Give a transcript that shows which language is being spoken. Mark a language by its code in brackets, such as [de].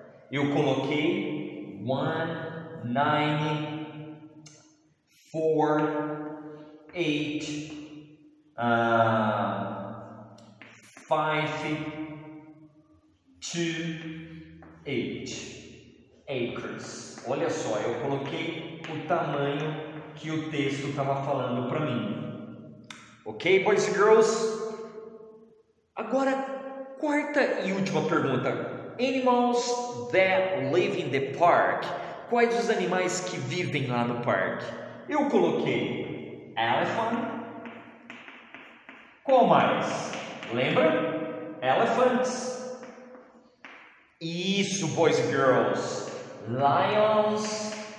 [pt] Eu coloquei 194,8528 acres. Olha só, eu coloquei o tamanho que o texto estava falando para mim. [en] Ok, boys and girls? [pt] Agora, quarta e última pergunta. [en] Animals that live in the park. [pt] Quais os animais que vivem lá no parque? Eu coloquei elephant. Qual mais? Lembra? Elephants. Isso, [en] boys and girls. Lions.